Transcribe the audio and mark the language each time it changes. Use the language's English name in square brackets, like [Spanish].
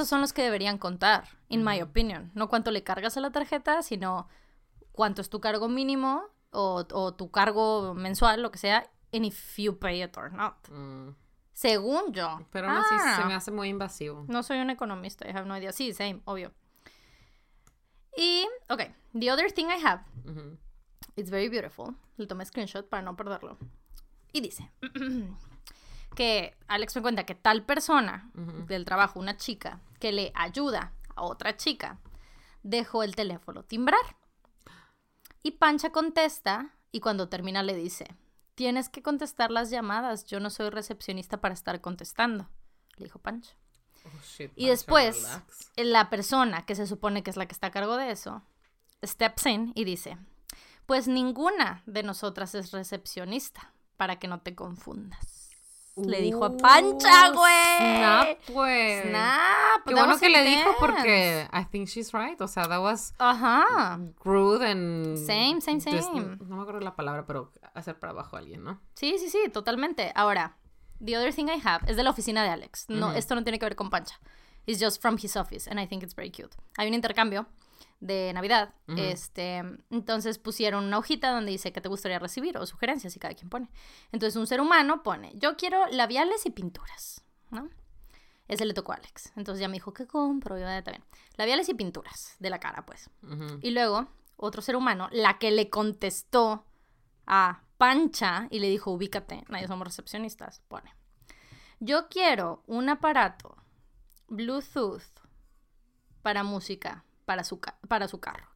[Spanish] Esos son los que deberían contar, [English] in my opinion. [Spanish] No cuánto le cargas a la tarjeta, sino cuánto es tu cargo mínimo o tu cargo mensual, lo que sea, [English] and if you pay it or not. [Spanish] Según yo. Pero aún así se me hace muy invasivo. No soy un economista, [English] I have no idea. [Spanish] Sí, same, obvio. [English] Y, ok, the other thing I have, it's very beautiful. [Spanish] Le tomé screenshot para no perderlo. Y dice que Alex me cuenta que tal persona del trabajo, una chica, que le ayuda a otra chica, dejó el teléfono timbrar. Y Pancha contesta y cuando termina le dice, tienes que contestar las llamadas, yo no soy recepcionista para estar contestando, le dijo Pancha. [English] Oh, shit, Pancha. [Spanish] Y después la persona que se supone que es la que está a cargo de eso, [English] steps in [Spanish] y dice... pues ninguna de nosotras es recepcionista, para que no te confundas. Le dijo a Pancha, güey. [English] Snap, güey. Snap. [Spanish] Qué bueno que le dijo, porque [English] I think she's right. [Spanish] O sea, [English] that was rude and... Same. Just, [Spanish] no me acuerdo la palabra, pero hacer para abajo a alguien, ¿no? Sí, totalmente. Ahora, [English] the other thing I have [Spanish] es de la oficina de Alex. No, uh-huh. Esto no tiene que ver con Pancha. [English] It's just from his office, and I think it's very cute. [Spanish] Hay un intercambio de Navidad. Uh-huh. Entonces pusieron una hojita donde dice que te gustaría recibir o sugerencias, y cada quien pone. Entonces un ser humano pone, yo quiero labiales y pinturas, ¿no? Ese le tocó a Alex. Entonces ya me dijo, ¿qué compro? Y está bien. Labiales y pinturas de la cara, pues. Uh-huh. Y luego otro ser humano, la que le contestó a Pancha y le dijo, ubícate, nadie somos recepcionistas, pone, yo quiero un aparato Bluetooth para música para su carro.